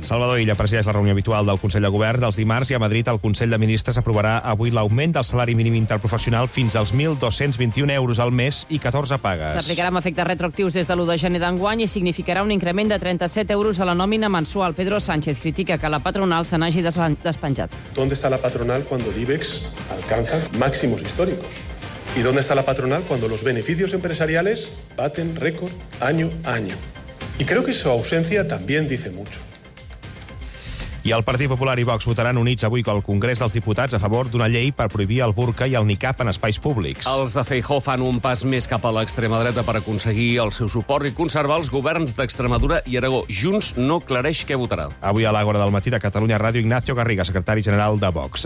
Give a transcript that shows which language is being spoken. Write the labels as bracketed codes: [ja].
[ca] Salvador Illa presideix la reunió habitual del Consell de Govern dels dimarts i a Madrid el Consell de Ministres aprovarà avui l'augment del salari mínim interprofessional fins als 1.221 euros al mes i 14 pagues. S'aplicarà amb efectes retroactius des de l'1 de gener d'enguany i significarà un increment de 37 euros a la nòmina mensual. Pedro Sánchez critica que la patronal se n'hagi despenjat. [es] ¿Dónde está la patronal cuando el IBEX alcanza máximos históricos? ¿Y dónde está la patronal cuando los beneficios empresariales baten récord año a año? Y creo que su ausencia también dice mucho. [ca] I el Partit Popular i Vox votaran units avui al Congrés dels Diputats a favor d'una llei per prohibir el burca i el niqab en espais públics. Els de Feijó fan un pas més cap a l'extrema dreta per aconseguir el seu suport i conservar els governs d'Extremadura i Aragó. Junts no clareix què votarà. Avui a l'Àgora del Matí de Catalunya Ràdio, Ignacio Garriga, secretari general de Vox.